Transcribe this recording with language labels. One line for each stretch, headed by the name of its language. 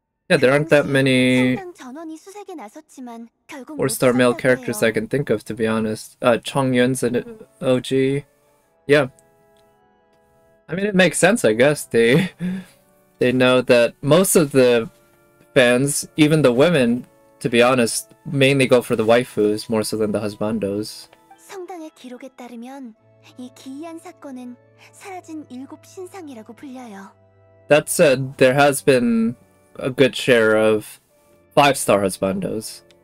English: Yeah, there aren't that many 4-star male characters I can think of, to be honest. Chong Yun's an OG. Yeah. I mean, it makes sense, I guess. They know that most of the fans, even the women, to be honest, mainly go for the waifus more so than the husbandos.
Korean: 성당의 기록에 따르면 이 기이한 사건은 사라진 일곱 신상이라고 불려요.
English: That said, there has been a good share of 5-star husbandos.